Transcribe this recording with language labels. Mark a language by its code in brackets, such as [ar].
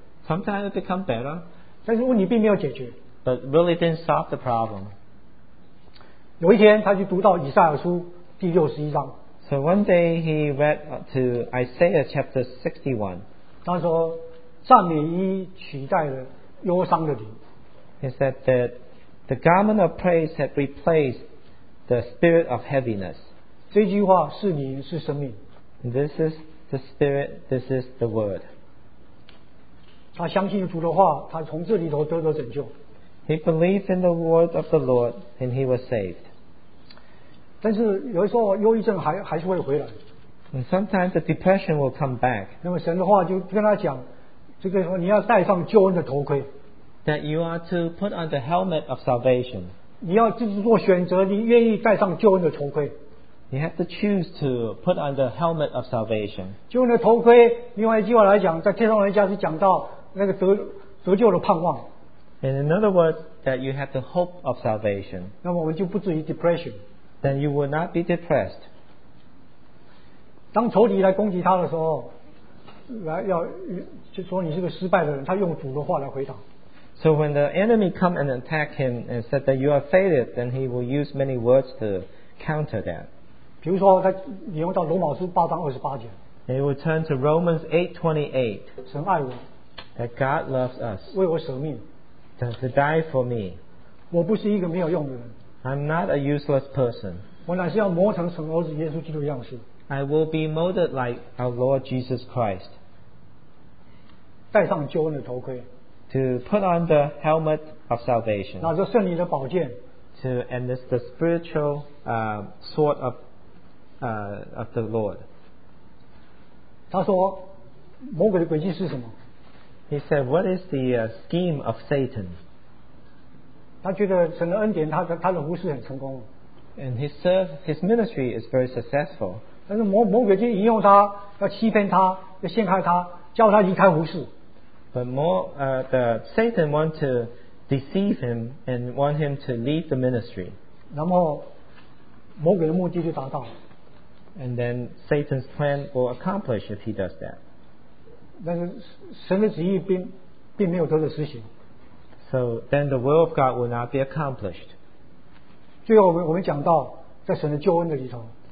[en] Sometimes it becomes better. [zh] 但是问题并没有解决。 [en] But really didn't solve the problem. [zh] 有一天，他去读到以赛亚书第六十一章。 [en] So one day he read to Isaiah chapter 61. [zh] 他说，赞美衣取代了忧伤的灵。 [en] He said that the garment of praise had replaced the spirit of heaviness. [zh] 这句话是灵，是生命。 [en] This is the spirit. This is the word. [zh] 他相信主的话，他从这里头得到拯救。 [en] He believed in the word of the Lord, and he was saved. [zh] 但是有时候忧郁症还是会回来。 [en] And sometimes the depression will come back. [zh] 那么神的话就跟他讲，这个说你要戴上救恩的头盔。 [en] That you are to put on the helmet of salvation. [zh] 你要自己做选择，你愿意戴上救恩的头盔。 [en] You have to choose to put on the helmet of salvation. [zh] 救恩的头盔，另外一句话来讲，在帖撒罗尼迦是讲到。那个 得救的盼望。 [en] And in other words, that you have the hope of salvation. [zh] 那么我们就不至于 depression. [en] Then you will not be depressed. [zh] 当仇敌来攻击他的时候，来要就说你是个失败的人，他用主的话来回答。 [en] So when the enemy come and attack him and said that you are failed, then he will use many words to counter that. [zh] 比如说他引用到罗马书八章二十八节。 [en] And he will turn to Romans 8:28. [zh] 神爱我。 [en] That God loves us. [zh] 为我舍命。 [en] To die for me. [zh] 我不是一个没有用的人。 [en] I'm not a useless person. [zh] 我乃是要磨成神儿子耶稣基督的样式。 [en] I will be molded like our Lord Jesus Christ. [zh] 戴上救恩的头盔。 [en] To put on the helmet of salvation. [zh] 拿着圣灵的宝剑。 [en] To enlist the spiritual sword of the Lord. [zh] 他说，魔鬼的诡计是什么？ [en] He said, what is the scheme of Satan? [zh] 他觉得神的恩典，他的服事很成功。 [en] And his ministry is very successful. [zh] 但是魔鬼就引诱他，要欺骗他，要陷害他，叫他离开服事。 [en] But the Satan want to deceive him and want him to leave the ministry. [zh] 那么魔鬼的目的就达到。 [en] And then Satan's plan will accomplish if he does that. [zh] 但是神的旨意并没有得到实行。 [en] So then the will of God will not be accomplished. [zh] 最后我们讲到在神的救恩的里头。